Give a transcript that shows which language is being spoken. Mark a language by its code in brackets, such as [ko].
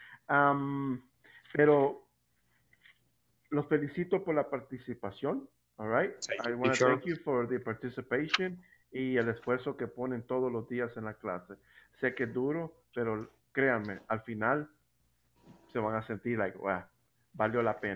[es] Pero los felicito por la participación, all right? [en] Thank you. I want to thank you for the participation. [es] Y el esfuerzo que ponen todos los días en la clase. Sé que es duro, pero créanme, al final se van a sentir like, wow, valió la pena.